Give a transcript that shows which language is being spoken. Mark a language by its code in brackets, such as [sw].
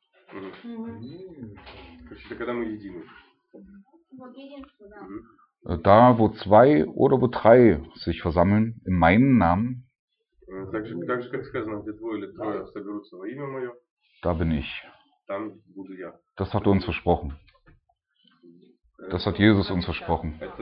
[ru] То есть это когда мы едины. Вот единство, да. [de] Da, wo zwei oder wo drei sich versammeln, in meinem Namen. [ru] Так же, как сказано, где двое или трое соберутся во имя мое. [de] Da bin ich. [ru] Dann буду я. [de] Das hat uns versprochen. Das hat Jesus uns versprochen.